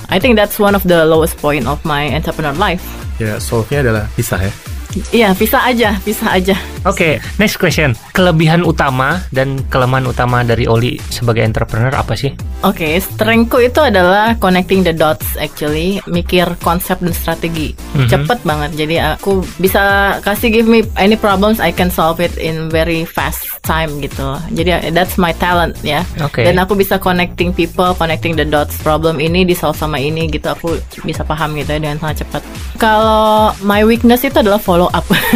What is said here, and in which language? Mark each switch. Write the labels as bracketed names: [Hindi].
[English] I think that's one of the lowest point of my entrepreneur life. [Indonesian] Ya, solve-nya adalah pisah ya. Iya, pisah aja, pisah aja. [English] Oke, okay, next question. [Indonesian] Kelebihan utama dan kelemahan utama dari Oli sebagai entrepreneur apa sih? [English] Oke, okay, strength-ku [Indonesian] itu adalah [English] connecting the dots actually. [Indonesian] Mikir konsep dan strategi. Mm-hmm. Cepet banget. Jadi aku bisa kasih [English] give me any problems, I can solve it in very fast time [Indonesian] gitu. [English] Jadi that's my talent ya. Yeah. Okay. [Indonesian] Dan aku bisa [English] connecting people, connecting the dots. [Indonesian] Problem ini di solve sama ini gitu. Aku bisa paham gitu ya dengan sangat cepat. Kalau [English] my weakness [Indonesian] itu adalah [English] follow up.